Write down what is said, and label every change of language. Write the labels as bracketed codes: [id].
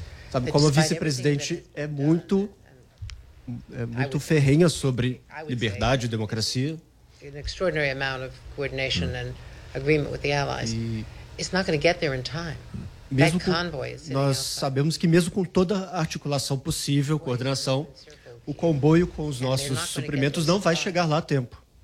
[pt] Sabe como a vice-presidente é muito ferrenha sobre liberdade e democracia? [en] An extraordinary amount of coordination and agreement with the allies. It's not going to get there in time. [pt] Nós sabemos que mesmo com toda a articulação possível, coordenação, o comboio com os nossos suprimentos não vai chegar lá a tempo.